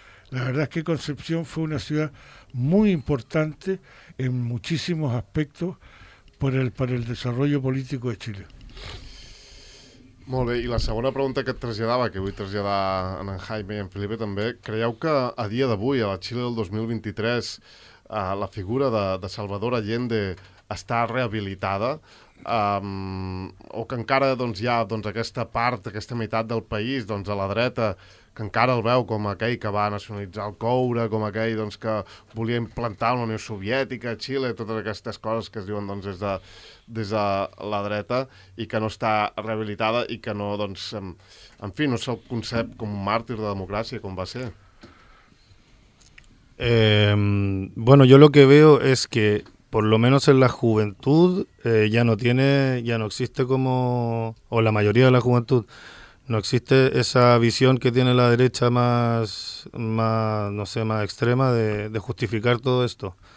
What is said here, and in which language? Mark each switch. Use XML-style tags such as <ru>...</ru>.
<es>La verdad es que Concepción fue una ciudad muy importante en muchísimos aspectos para el desarrollo político de Chile.</es> <ca>Molt bé, i la segona pregunta que et traslladava, que vull traslladar en Jaime i en Felipe també, creieu que a dia d'avui, a la Xile del 2023, la figura de Salvador Allende està rehabilitada? O que encara hi ha aquesta part, aquesta meitat del país, a la dreta, que encara el veu com aquell que va nacionalitzar el coure, com aquell que volia implantar la Unió Soviètica a Xile, totes aquestes coses que es diuen des de la dreta, i que no està rehabilitada i que no, en fi, no se'l concep com un màrtir de democràcia, com va ser.</ca> <es>Bueno, yo lo que veo es que, por lo menos en la juventud, ya no existe como, o la mayoría de la juventud, no existe esa visión que tiene la derecha más extrema de justificar todo esto.</es>